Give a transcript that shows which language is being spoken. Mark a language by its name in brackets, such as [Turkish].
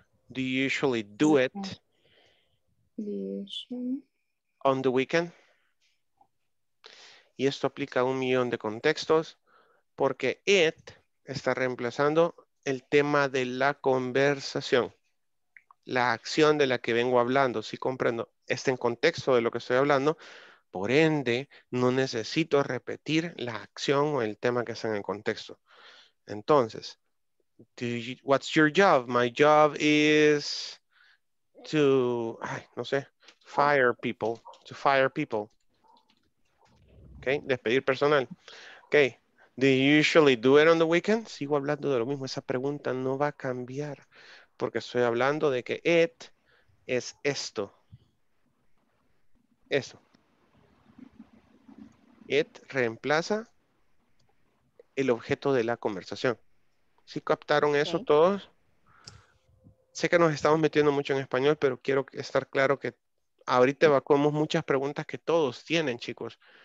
[English] Do you usually do it on the weekend? [Spanish] Y esto aplica a un millón de contextos porque it está reemplazando el tema de la conversación. La acción de la que vengo hablando, si comprendo, está en contexto de lo que estoy hablando. Por ende, no necesito repetir la acción o el tema que está en el contexto. Entonces, [English] what's your job? My job is to, [Spanish] no sé, [English] fire people. To fire people. Okay, [Spanish] despedir personal. [English] Okay, do you usually do it on the weekend? [Spanish] Sigo hablando de lo mismo. Esa pregunta no va a cambiar porque estoy hablando de que it es esto. Eso. It reemplaza el objeto de la conversación. ¿Sí captaron eso todos? Sé que nos estamos metiendo mucho en español, pero quiero estar claro que ahorita evacuamos muchas preguntas que todos tienen, chicos.